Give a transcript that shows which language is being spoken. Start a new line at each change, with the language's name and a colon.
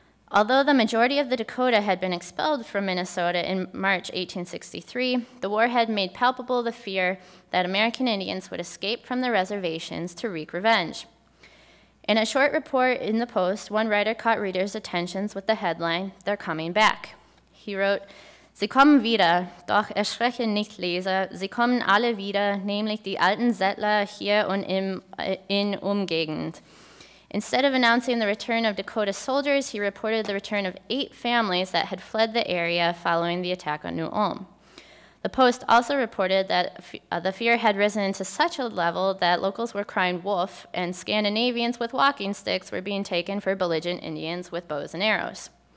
English: Although the majority of the Dakota had been expelled from Minnesota in March 1863, the war had made palpable the fear that American Indians would escape from the reservations to wreak revenge. In a short report in the Post, one writer caught readers' attentions with the headline, They're Coming Back. He wrote,
German: Sie kommen wieder, doch erschrecken nicht, Leser. Sie kommen alle wieder, nämlich die alten Settler hier und in Umgegend.
English: Instead of announcing the return of Dakota soldiers, he reported the return of 8 families that had fled the area following the attack on New Ulm. The Post also reported that the fear had risen to such a level that locals were crying wolf and Scandinavians with walking sticks were being taken for belligerent Indians with bows and arrows.